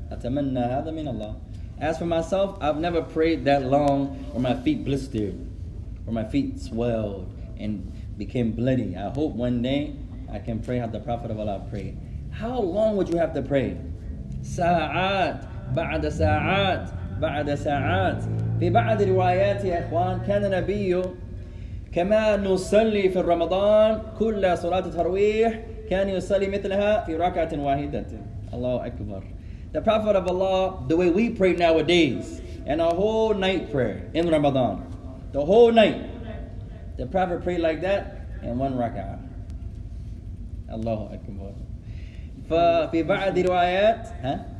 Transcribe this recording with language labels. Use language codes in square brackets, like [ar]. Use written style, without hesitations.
[ar] أتمنى هذا من الله. [en] As for myself, I've never prayed that long where my feet blistered, where my feet swelled and became bloody. I hope one day I can pray how the Prophet of Allah prayed. How long would you have to pray? [ar] ساعات بعد ساعات بعد ساعات. في بعض الروايات يا إخوان كان النبي كما نصلي في رمضان كل صلاة ترويح كان يصلي مثلها في ركعة واحدة. الله أكبر. [en] The Prophet of Allah, the way we pray nowadays, and a whole night prayer in Ramadan, the whole night, the Prophet prayed like that in one rak'ah. [ar] Allahu Akbar. في بعض الروايات, huh?